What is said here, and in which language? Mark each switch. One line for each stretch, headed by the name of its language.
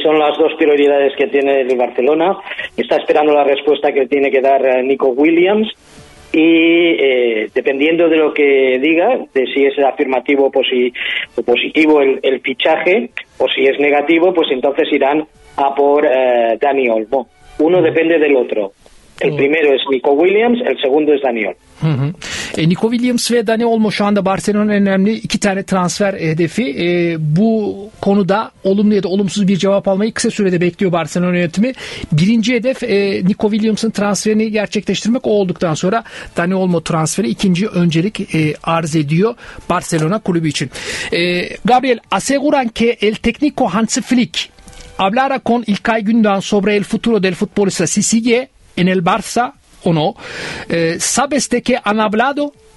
Spanish: Son las dos prioridades que tiene el Barcelona. Está esperando la respuesta que tiene que dar Nico Williams y dependiendo de lo que diga, de si es afirmativo o positivo el fichaje o si es negativo, pues entonces irán a por Dani Olmo. Uno depende del otro. El primero es Nico Williams, el segundo es Dani Olmo.
Turkish: Nico Williams ve Dani Olmo şu anda Barcelona'nın önemli iki tane transfer hedefi. Bu konuda olumlu ya da olumsuz bir cevap almayı kısa sürede bekliyor Barcelona yönetimi. Birinci hedef Nico Williams'ın transferini gerçekleştirmek, o olduktan sonra Dani Olmo transferi ikinci öncelik arz ediyor Barcelona kulübü için.
Spanish: Gabriel, aseguran que el técnico Hansi Flick hablara con İlkay Gündoğan sobre el futuro del futbolista si sigue en el Barça o no. ¿Sabes de qué han hablado?